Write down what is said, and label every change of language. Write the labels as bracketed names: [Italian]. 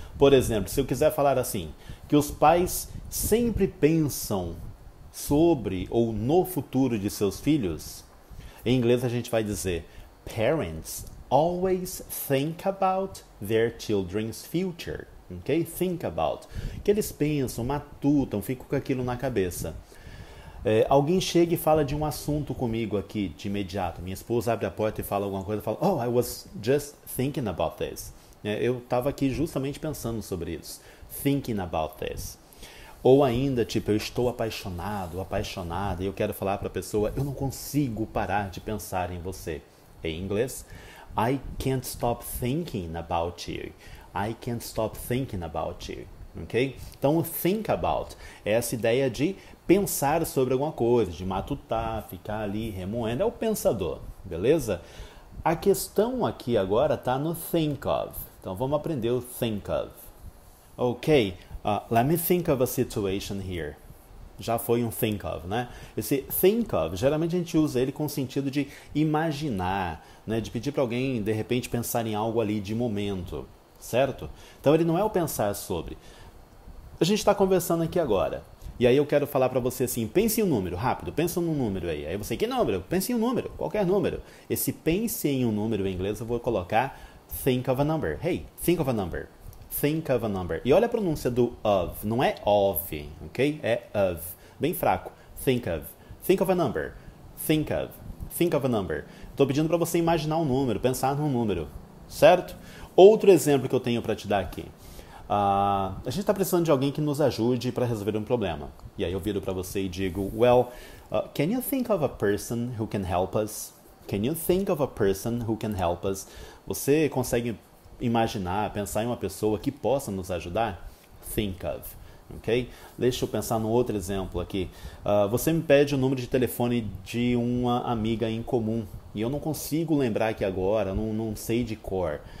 [Portuguese] Por exemplo, se eu quiser falar assim, que os pais sempre pensam sobre ou no futuro de seus filhos, em inglês a gente vai dizer: [English] Parents always think about their children's future. [Portuguese] Okay? Think about. O que eles pensam, matutam, ficam com aquilo na cabeça. É, alguém chega e fala de um assunto comigo aqui de imediato. Minha esposa abre a porta e fala alguma coisa, fala, oh, [English] I was just thinking about this. [Portuguese] É, eu estava aqui justamente pensando sobre isso. [English] Thinking about this. [Portuguese] Ou ainda, tipo, eu estou apaixonado, apaixonada, e eu quero falar para a pessoa, eu não consigo parar de pensar em você. Em inglês, [English] I can't stop thinking about you. I can't stop thinking about you, ok? [Portuguese] Então, think about é essa ideia de pensar sobre alguma coisa, de matutar, ficar ali remoendo, é o pensador, beleza? A questão aqui agora está no think of. Então, vamos aprender o think of. [English] Ok, let me think of a situation here. [Portuguese] Já foi um think of, né? Esse think of, geralmente a gente usa ele com o sentido de imaginar, né? De pedir para alguém, de repente, pensar em algo ali de momento. Certo? Então ele não é o pensar sobre. A gente está conversando aqui agora. E aí eu quero falar para você assim: pense em um número, rápido, pensa num número aí. Aí você, que número? Pense em um número, qualquer número. Esse pense em um número em inglês eu vou colocar think of a number. [English] Hey, think of a number. Think of a number. [Portuguese] E olha a pronúncia do of, não é of, ok? É of. Bem fraco. [English] Think of. Think of a number. Think of. Think of a number. [Portuguese] Estou pedindo para você imaginar um número, pensar num número, certo? Outro exemplo que eu tenho para te dar aqui. A gente está precisando de alguém que nos ajude para resolver um problema. E aí eu viro para você e digo: [English] Well, can you think of a person who can help us? Can you think of a person who can help us? [Portuguese] Você consegue imaginar, pensar em uma pessoa que possa nos ajudar? Think of. Ok? Deixa eu pensar no outro exemplo aqui. Você me pede o número de telefone de uma amiga em comum. E eu não consigo lembrar aqui agora, não sei de cor.